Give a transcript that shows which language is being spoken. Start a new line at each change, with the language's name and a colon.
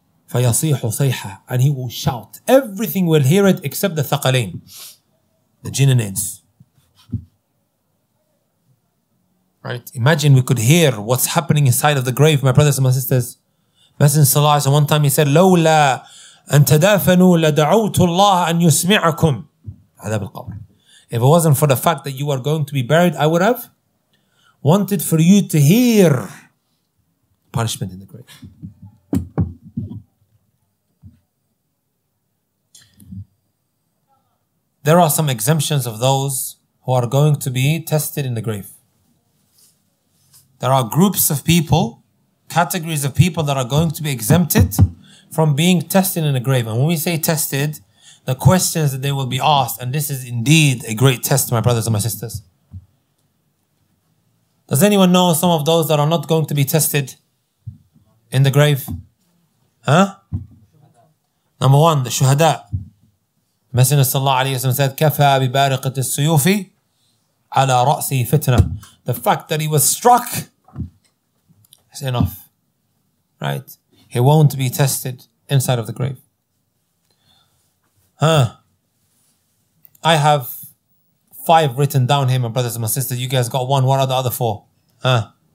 Arabic: فَيَصِيحُ صَيْحَةً.
English: And he will shout. Everything will hear it except the ثَقَلَيْن. The jinn and ins. Right? Imagine we could hear what's happening inside of the grave, my brothers and my sisters. Messenger Sallallahu Alaihi Wasallam, one time he said,
Arabic: لَوْلَا أَن تَدَافَنُوا لَدَعَوْتُ اللَّهَ أَن يُسْمِعَكُمْ عَذَابِ الْقَبْرِ.
English: If it wasn't for the fact that you are going to be buried, I would have wanted for you to hear punishment in the grave. There are some exemptions of those who are going to be tested in the grave. There are groups of people, categories of people that are going to be exempted from being tested in the grave. And when we say tested, the questions that they will be asked, and this is indeed a great test, my brothers and my sisters. Does anyone know some of those that are not going to be tested in the grave? Huh? Number one, the shuhada. Messenger Sallallahu Alaihi Wasallam said,
Arabic: كَفَى بِبَارِقَةِ السُّيُوفِ عَلَى رَأْسِ فِتْنَةً.
English: The fact that he was struck is enough, right? He won't be tested inside of the grave. Huh? I have 5 written down here, my brothers and my sisters. You guys got 1. What are the other 4? Huh?